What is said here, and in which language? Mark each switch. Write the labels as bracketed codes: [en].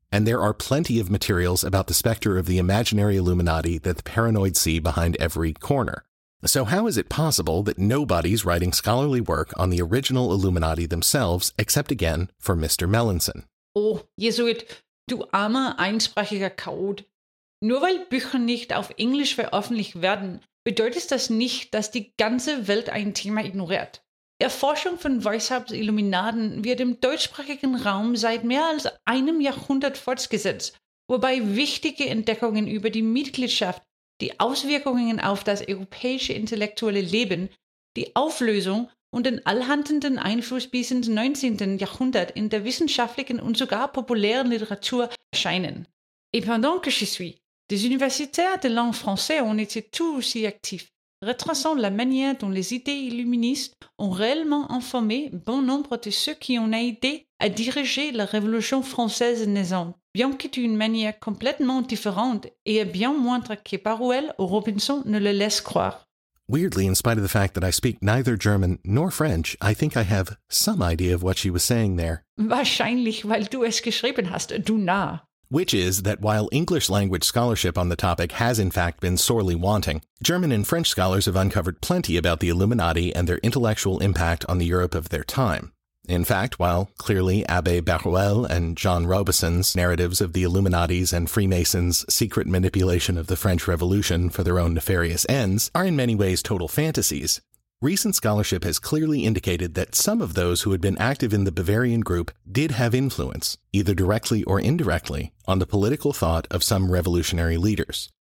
[en] And there are plenty of materials about the specter of the imaginary Illuminati that the paranoid see behind every corner. So how is it possible that nobody's writing scholarly work on the original Illuminati themselves, except again for Mr. Melanson? [de] Oh, Jesuit, du armer einsprachiger Chaot. Nur weil Bücher nicht auf Englisch veröffentlicht werden, bedeutet das nicht, dass die ganze Welt ein Thema ignoriert. Erforschung von Weishaupts Illuminaten wird im deutschsprachigen Raum seit mehr als einem Jahrhundert fortgesetzt, wobei wichtige Entdeckungen über die Mitgliedschaft, die Auswirkungen auf das europäische intellektuelle Leben, die Auflösung und den allhandenden Einfluss bis ins 19. Jahrhundert in der wissenschaftlichen und sogar populären Literatur erscheinen. [fr] Et pendant que je suis, des universitaires de langue française ont été tout aussi actifs, retraçant la manière dont les idées illuministes ont réellement informé bon nombre de ceux qui ont aidé à diriger la Révolution française naissante, bien que d'une manière complètement différente et bien moindre que Paruel ou Robinson ne le laisse croire. [en] Weirdly, in spite of the fact that I speak neither German nor French, I think I have some idea of what she was saying there. [de] Wahrscheinlich, weil du es geschrieben hast, du Narr. [en] Which is that while English language scholarship on the topic has in fact been sorely wanting, German and French scholars have uncovered plenty about the Illuminati and their intellectual impact on the Europe of their time. In fact, while clearly Abbé Barruel and Jean Robison's narratives of the Illuminati's and Freemasons' secret manipulation of the French Revolution for their own nefarious ends are in many ways total fantasies, recent scholarship has clearly indicated that some of those who had been active in the Bavarian group did have influence, either directly or indirectly, on the political thought of some revolutionary leaders.